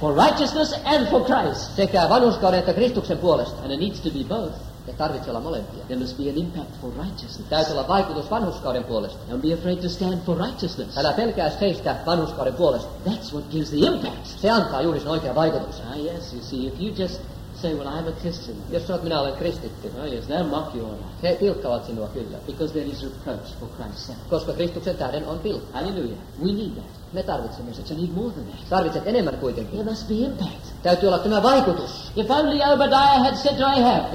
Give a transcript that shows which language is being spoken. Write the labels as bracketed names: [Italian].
[English] For righteousness and for Christ. [Finnish] Sekä vanhurskauden että Kristuksen puolesta. [English] And it needs to be both. [Finnish] Ja tarvitsee olla molempia. [English] There must be an impact for righteousness. [Finnish] Täytyy olla vaikutus vanhurskauden puolesta. [English] Don't be afraid to stand for righteousness. [Finnish] Älä pelkää seistä vanhurskauden puolesta. [English] That's what gives the impact. [Finnish] Se antaa juuri sen oikean vaikutuksen. [English] Ah yes, you see, if you just say, well, I'm a Christian. [Finnish] Jos sanot, minä olen kristitty. [English] Oh yes, they'll mock you all right. [Finnish] He pilkkaavat sinua kyllä. [English] Because there is reproach for Christ's sake. [Finnish] Koska Kristuksen tähden on pilkka. [English] Hallelujah. We need that. [Finnish] Me tarvitsemme sen. [English] But you need more than that. [Finnish] Tarvitset enemmän kuitenkin. [English] There must be impact. [Finnish] Täytyy olla tämä vaikutus. [English] If only Obadiah had said to Ahab.